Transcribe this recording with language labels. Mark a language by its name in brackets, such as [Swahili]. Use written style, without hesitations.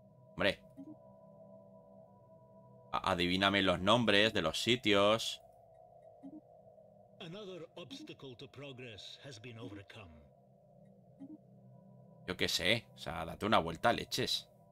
[Spanish] Hombre, adivíname los nombres de los sitios. [English] Another obstacle to progress has been overcome. [Spanish] Yo qué sé, o sea, date una vuelta, leches.